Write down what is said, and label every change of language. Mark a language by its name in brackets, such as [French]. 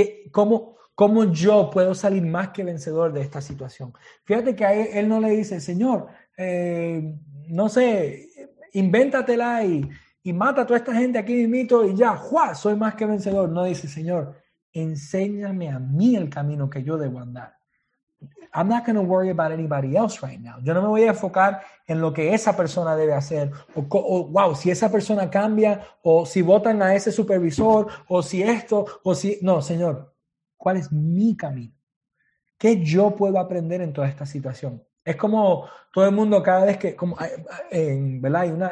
[Spanish] ¿Cómo yo puedo salir más que vencedor de esta situación? Fíjate que ahí él no le dice, Señor, no sé, invéntatela y mata a toda esta gente aquí mismito y ya, ¡juá! Soy más que vencedor. No dice, Señor, enséñame a mí el camino que yo debo andar. [English] I'm not going to worry about anybody else right now. [Spanish] Yo no me voy a enfocar en lo que esa persona debe hacer. O, si esa persona cambia, o si votan a ese supervisor, o si esto, o si... No, Señor, ¿cuál es mi camino? ¿Qué yo puedo aprender en toda esta situación? Es como todo el mundo cada vez que... ¿verdad?